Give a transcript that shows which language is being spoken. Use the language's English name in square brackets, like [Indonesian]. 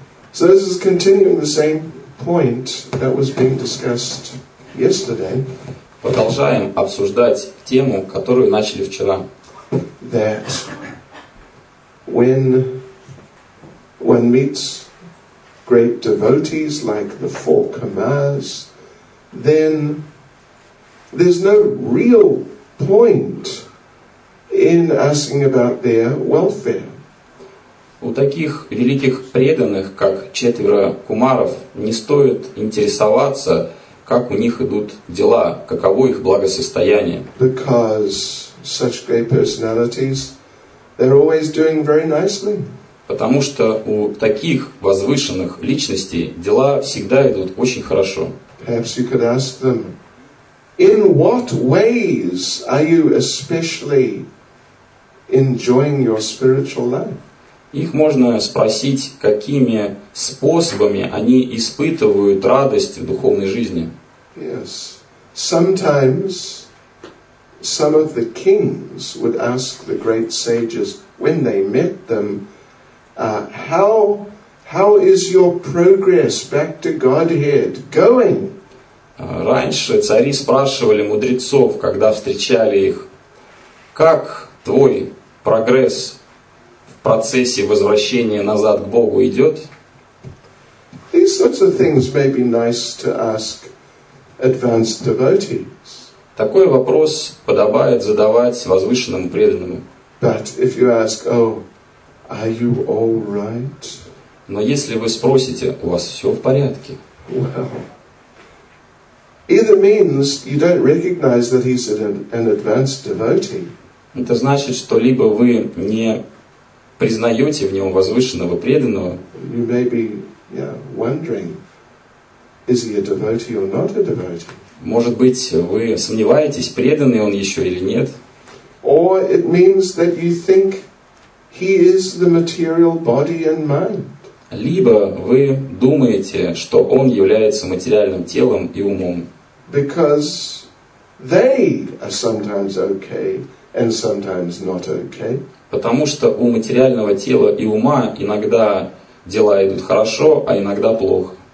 [English] So this is continuing the same point that was being discussed yesterday. [Russian] Продолжаем обсуждать тему, которую начали вчера. [English] That when one meets great devotees like the four Kamas, then there's no real point in asking about their welfare. [Russian] У таких великих преданных, как четверо кумаров, не стоит интересоваться, как у них идут дела, каково их благосостояние. [English] Because such great personalities, they're always doing very nicely. [Russian] Потому что у таких возвышенных личностей дела всегда идут очень хорошо. [English] Perhaps you could ask them, in what ways are you especially enjoying your spiritual life? [Russian] Их можно спросить, какими способами они испытывают радость в духовной жизни. [English] Yes. Sometimes some of the kings would ask the great sages when they met them, how is your progress back to Godhead going? [Russian] Раньше цари спрашивали мудрецов, когда встречали их, как твой прогресс в процессе возвращения назад к Богу идет? [English] These sorts of things may be nice to ask advanced devotees. [Russian] Такой вопрос подобает задавать возвышенному преданному. [English] But if you ask, oh, are you all right? [Russian] Но если вы спросите, у вас все в порядке? [English] Either means you don't recognize that he's an advanced devotee. [Russian] Это значит, что либо вы не признаете в нем возвышенного преданного. [English] You may be, yeah, wondering, is he a devotee or not a devotee? [Russian] Может быть, вы сомневаетесь, преданный он еще или нет? [English] Or it means that you think he is the material body and mind. [Russian] Либо вы думаете, что он является материальным телом и умом. [English] Because they are sometimes okay and sometimes not okay. [Russian] Потому что у материального тела и ума иногда дела идут хорошо, а иногда плохо.